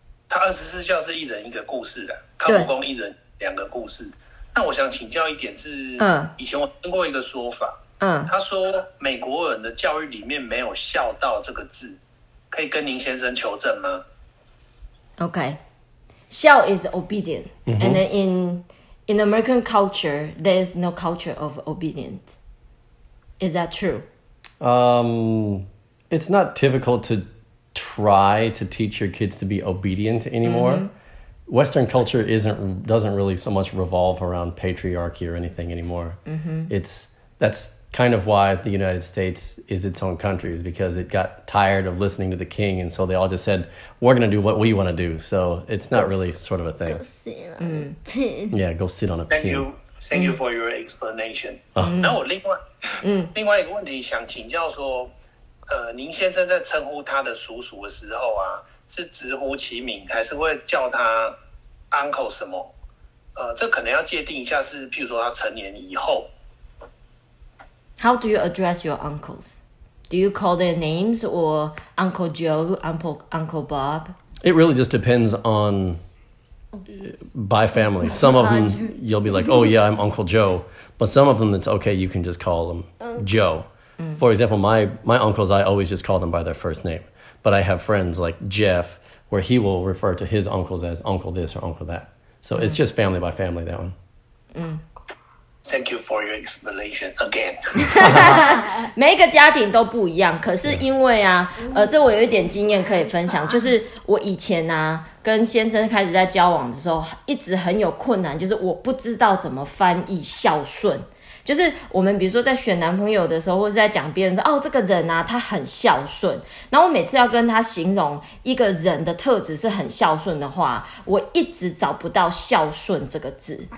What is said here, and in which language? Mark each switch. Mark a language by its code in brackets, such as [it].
[zh] 他二十四孝是一人一个故事的，康复工一人两个故事。那我想请教一点是，以前我听过一个说法，他说美国人的教育里面没有孝道这个字，可以跟林先生求证吗 [en] ？OK。 孝 is obedient,、mm-hmm. and then in American culture, there is no culture of obedience. Is that true? It's not typical to try to teach your kids to be obedient anymore.、Mm-hmm. Western culture doesn't really so much revolve around patriarchy or anything anymore.、 Mm-hmm. That's kind of why the United States is its own country, is because it got tired of listening to the king, and so they all just said, we're going to do what we want to do. So it's not really sort of a thing. Go sit on a pin. Yeah, go sit on a pin. Thank you for your explanation. [zh] No, 另外一个问题想请教说，您先生在称呼他的叔叔的时候啊，是直呼其名，还是会叫他 uncle 什么？这可能要界定一下，是譬如说他成年以后。 [en] How do you address your uncles? Do you call their names or Uncle Joe, Uncle Bob? It really just depends on by family. Some of them you'll be like, oh yeah, I'm Uncle Joe. But some of them it's okay, you can just call them Joe. For example, my uncles, I always just call them by their first name. But I have friends like Jeff, where he will refer to his uncles as Uncle this or Uncle that. So it's just family by family, that one. Thank you for your explanation again. [zh] 每一个家庭都不一样，可是因为啊，这我有一点经验可以分享，就是我以前啊，跟先生开始在交往的时候，一直很有困难，就是我不知道怎么翻译孝顺。就是我们比如说在选男朋友的时候，或是在讲别人说哦这个人啊他很孝顺，然后我每次要跟他形容一个人的特质是很孝顺的话，我一直找不到孝顺这个字。